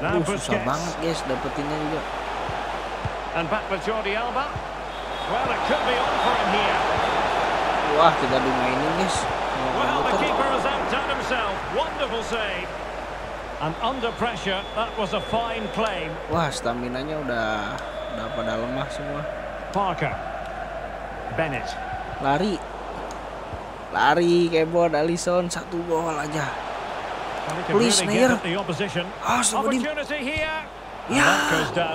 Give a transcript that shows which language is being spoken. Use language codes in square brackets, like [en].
[id] Susah banget, guys, dapetinnya juga. [en] And back for Jordi Alba. Well, it could be on for him here. [id] Wah, kita dimainin, guys. [en] Well, the keeper has outdone himself. Wonderful save. And under pressure, that was a fine claim. [id] Wah, staminanya udah pada lemah semua. Parker. Bennett. Lari. Lari, Kebon, Alisson. Satu gol aja. [en] Please, Neuer. Opportunity here. Yeah.